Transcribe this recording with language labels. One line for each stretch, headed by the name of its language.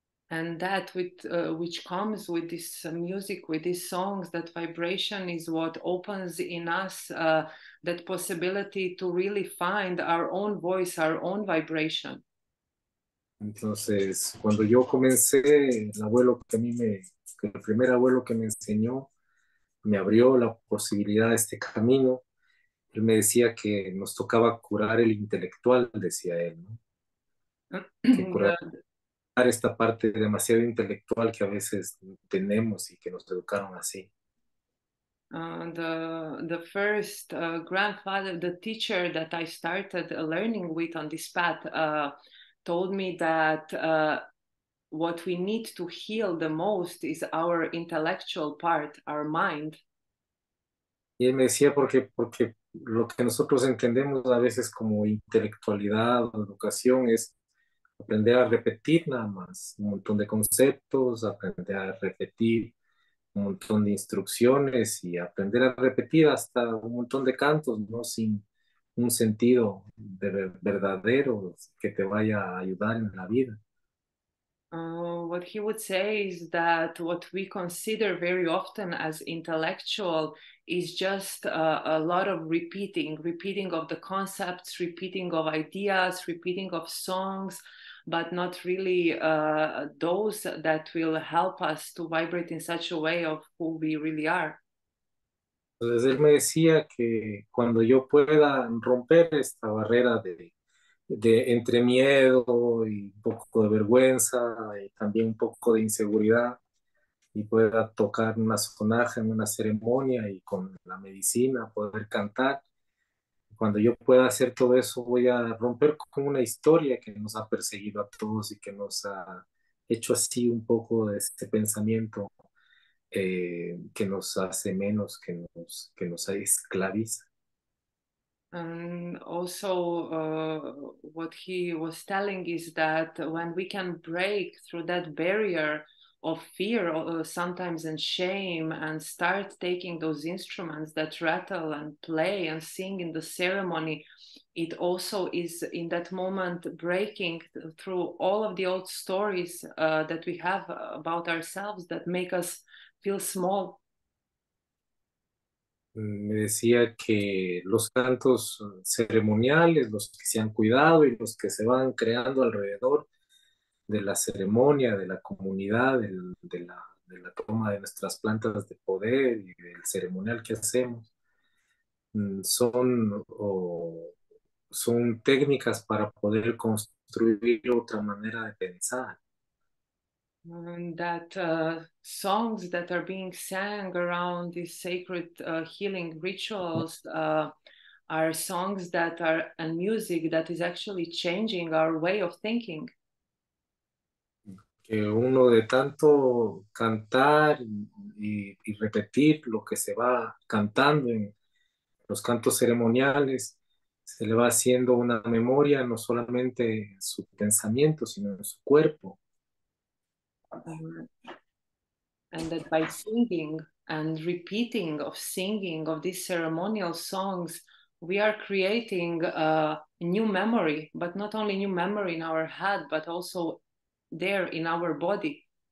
English: And that with, which comes with this music, with these songs, that vibration is what opens in us that possibility to really find our own voice, our own vibration.
Spanish: Entonces, cuando yo comencé, el primer abuelo que me enseñó, me abrió la posibilidad de este camino, Él me decía que nos tocaba curar el intelectual, decía él, ¿no? Que curar esta parte demasiado intelectual que a veces tenemos y que nos educaron así.
English: The first grandfather, the teacher that I started learning with on this path, told me that what we need to heal the most is our intellectual part, our mind.
Spanish: Y él me decía, porque lo que nosotros entendemos a veces como intelectualidad o educación es aprender a repetir nada más un montón de conceptos, aprender a repetir un montón de instrucciones y aprender a repetir hasta un montón de cantos, ¿no? Sin un sentido verdadero que te vaya a ayudar en la vida.
English: What he would say is that what we consider very often as intellectual is just a lot of repeating of the concepts, repeating of ideas, repeating of songs, but not really those that will help us to vibrate in such a way of who we really are.
Spanish: Entonces él me decía que cuando yo pueda romper esta barrera de entre miedo y un poco de vergüenza y también un poco de inseguridad y pueda tocar una sonaja en una ceremonia y con la medicina poder cantar, cuando yo pueda hacer todo eso voy a romper con una historia que nos ha perseguido a todos y que nos ha hecho así un poco de este pensamiento. Que nos hace menos, que nos esclaviza.
English: And also, what he was telling is that when we can break through that barrier of fear, sometimes and shame, and start taking those instruments that rattle and play and sing in the ceremony, it also is in that moment breaking through all of the old stories that we have about ourselves that make us feel small.
Spanish: Me decía que los cantos ceremoniales, los que se han cuidado y los que se van creando alrededor de la ceremonia, de la comunidad, de la toma de nuestras plantas de poder y del ceremonial que hacemos, son técnicas para poder construir otra manera de pensar.
English: That songs that are being sang around these sacred healing rituals are songs that are and music that is actually changing our way of thinking.
Spanish: Que uno de tanto cantar y repetir lo que se va cantando en los cantos ceremoniales, se le va haciendo una memoria no solamente en su pensamiento, sino en su cuerpo.
English: And that by singing and repeating of singing of these ceremonial songs, we are creating a new memory, but not only new memory in our head, but also there in our body.